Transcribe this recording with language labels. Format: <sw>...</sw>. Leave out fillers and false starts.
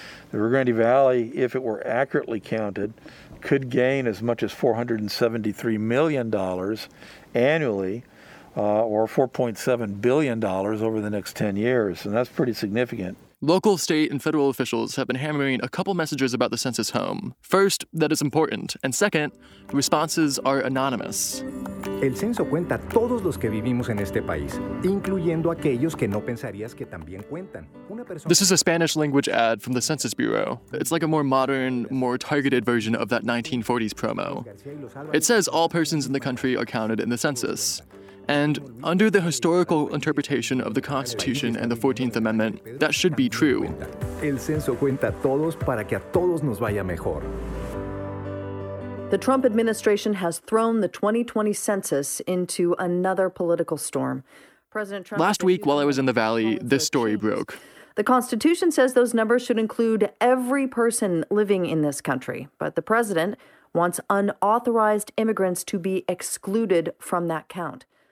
<en>The Rio Grande Valley, if it were accurately counted, could gain as much as $473 million annually, or $4.7 billion over the next 10 years, and that's pretty significant. Local, state, and federal officials have been hammering a couple messages about the census home. First, that it's important. And second, responses are anonymous.</en> <es>El censo cuenta todos los que vivimos en este país, incluyendo aquellos que no pensarías que también cuentan.</es> <en>This is a Spanish language ad from the Census Bureau. It's like a more modern, more targeted version of that 1940s promo. It says all persons in the country are counted in the census. And under the historical interpretation of the Constitution and the 14th Amendment, that should be true.</en> <es>El censo cuenta a todos para que a todos nos vaya mejor.</es> <en>The Trump administration has thrown the 2020 census into another political storm. President Trump. Last week, while I was in the Valley, this story broke. The Constitution says those numbers should include every person living in this country, but the president wants unauthorized immigrants to be excluded from that count.</en>